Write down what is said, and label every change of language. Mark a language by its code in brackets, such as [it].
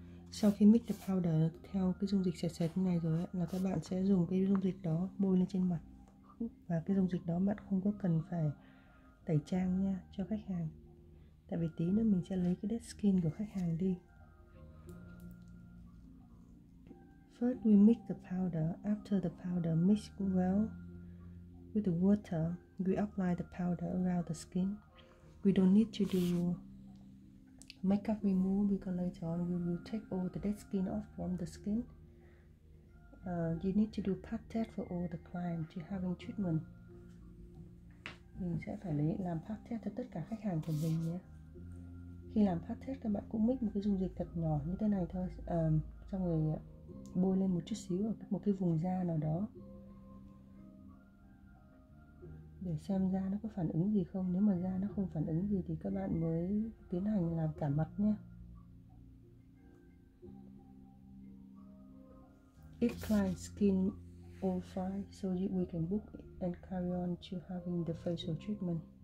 [vi] Sau khi [en] mix the powder [vi] theo cái dung dịch sệt sệt như này rồi ấy, là các bạn sẽ dùng cái dung dịch đó bôi lên trên mặt. Và cái dung dịch đó bạn không có cần phải tẩy trang nha cho khách hàng. Tại vì tí nữa mình sẽ lấy cái dead skin của khách hàng đi. [en] First we mix the powder. After the powder mix well with the water, we apply the powder around the skin. We don't need to do makeup remove because later on we will take all the dead skin off from the skin. You need to do pat test for all the clients you're having treatment. [vi] Mình sẽ phải làm pat test cho tất cả khách hàng của mình nhé. Khi làm pat test các bạn cũng mix một cái dung dịch thật nhỏ như thế này thôi, xong rồi bôi lên một chút xíu ở một cái vùng da nào đó để xem da nó có phản ứng gì không. Nếu mà da nó không phản ứng gì thì các bạn mới tiến hành làm cả mặt nhé. [en] If client's skin all fine, so we can book and carry on to having the facial treatment.